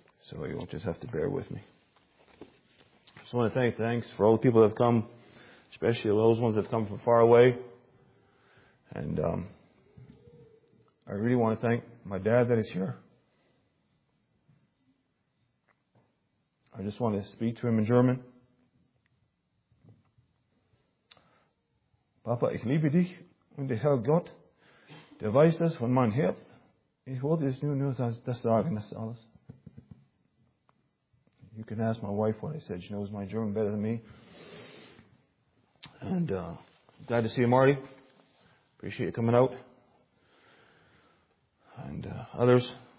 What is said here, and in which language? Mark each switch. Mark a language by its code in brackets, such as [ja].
[en] So you won't just have to bear with me. I just want to thanks for all the people that have come, especially those ones that have come from far away. And I really want to thank my dad that is here. I just want to speak to him in German. [de] Papa, ich liebe dich und der Herr Gott, der weiß das von meinem Herz. Ich wollte es nur das sagen, das ist alles. [en] You can ask my wife what I said. She knows my German better than me. And glad to see you, Marty. Appreciate you coming out. And others.